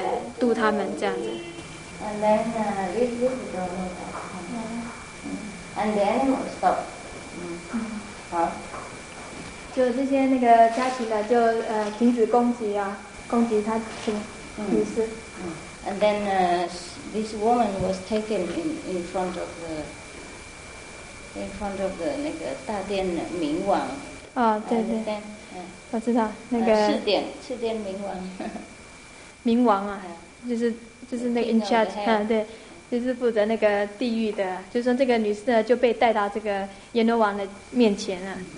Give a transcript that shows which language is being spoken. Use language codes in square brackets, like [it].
[zh] 嗯，那观音菩萨呢？也，那观音菩萨呢，就跟这些家禽讲，就说你们不要再攻击他，因为他已经说过了哈，以后他再重回这个人间呢，他将修行了，然后来度他们这样子。 [en] And then the animals stop. [zh] 好，就这些那个家禽呢，就停止攻击啊。 [en] And then this woman was taken in front of the 那个大殿明王. [zh] 啊，对对，我知道那个赤殿明王啊，就是那个 [en] in charge， [zh] 就是负责那个地狱的，就说这个女士呢就被带到这个阎罗王的面前了。